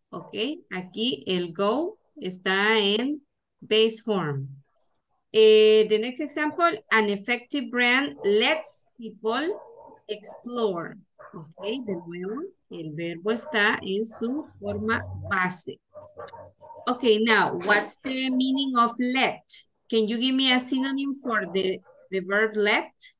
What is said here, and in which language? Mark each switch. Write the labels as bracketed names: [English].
[Spanish] Okay, aquí el go está [English] in base form. The next example, an effective brand lets people explore. [Spanish] Okay, de nuevo, el verbo está en su forma base. [English] Okay, now, what's the meaning of let? Can you give me a synonym for the verb let?